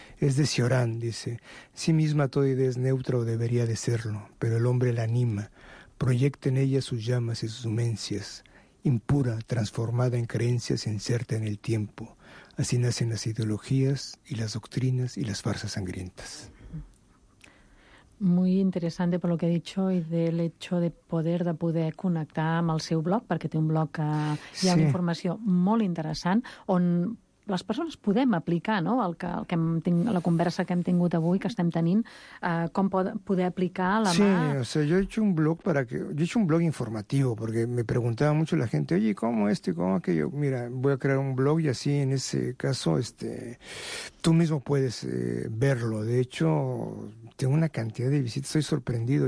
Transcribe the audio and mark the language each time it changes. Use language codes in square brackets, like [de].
[es] Es de Cioran, dice, sí misma toda idea es neutra o debería de serlo, pero el hombre la anima, proyecta en ella sus llamas y sus humencias, impura, transformada en creencias, inserta en el tiempo. Así nacen las ideologías y las doctrinas y las farsas sangrientas. Muy interesante por lo que ha dicho y del hecho de poder [ca] connectar amb el seu blog, perquè té un blog que hi ha informació molt interessant, on les persones podem aplicar, no?, la conversa que hem tingut avui, que estem tenint, com poder aplicar la mà. [es] Sí, o sea, yo he hecho un blog informativo, porque me preguntaba mucho la gente, oye, ¿cómo esto y cómo aquello? Mira, voy a crear un blog y así, en ese caso, tú mismo puedes verlo. De hecho, tengo una cantidad de visitas, estoy sorprendido.